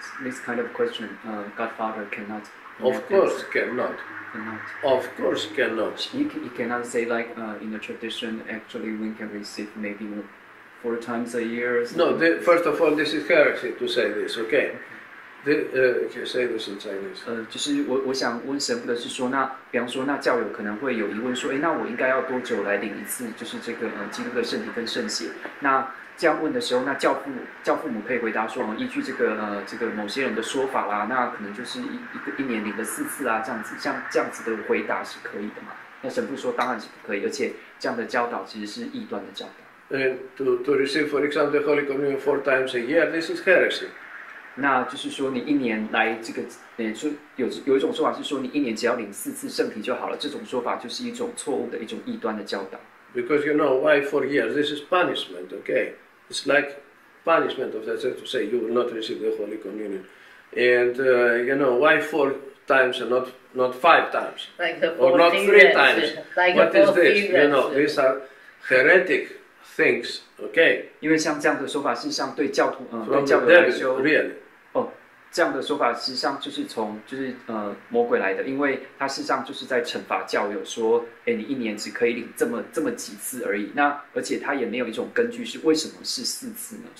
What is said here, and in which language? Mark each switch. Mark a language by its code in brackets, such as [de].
[en] This kind of question, Godfather cannot. Of course, cannot. Cannot. Of course, cannot. You cannot say like in the tradition. Actually, we can receive maybe 4 times a year. No. First of all, this is heresy to say this. Okay. Say this in Chinese. [zh] 就是我想问神父的是说，那比方说，那教友可能会有疑问说，那我应该要多久来领一次，就是这个基督的圣体跟圣血？那这样问的时候，那教父母可以回答说，依据这个某些人的说法啦，那可能就是一年领了4次啊，这样子，像这样子的回答是可以的嘛？那神父说，当然是不可以，而且这样的教导其实是异端的教导。 [en] To receive, for example, the Holy Communion 4 times a year, this is heresy. [zh] 那就是说，你一年来这个，有一种说法是说，你一年只要领4次圣体就好了。这种说法就是一种错误的一种异端的教导。 [en] Because you know why 4 years? This is punishment, okay? It's like punishment of the church to say you will not receive the Holy Communion. And you know, why four times and not five times? Like or not three times? Like what is this? You know, is. These are heretic things, okay? [zh] 因为像这样的说法，事实上对教徒， [en] From [zh] 对教徒来说 [en] really. [zh] 这样的说法实际上就是从就是魔鬼来的，因为他事实上就是在惩罚教友，说哎你一年只可以领这么几次而已。那而且他也没有一种根据是为什么是四次呢？